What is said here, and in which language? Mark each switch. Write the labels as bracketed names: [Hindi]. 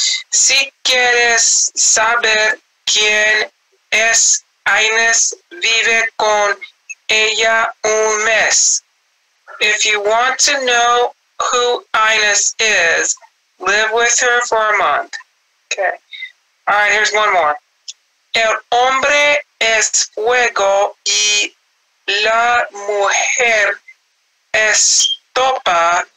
[Spanish] Si quieres saber quién es Inés, vive con ella un mes. [English] If you want to know who Inés is, live with her for a month. Okay. All right, here's one more. [Spanish] El hombre es fuego y la mujer estopa.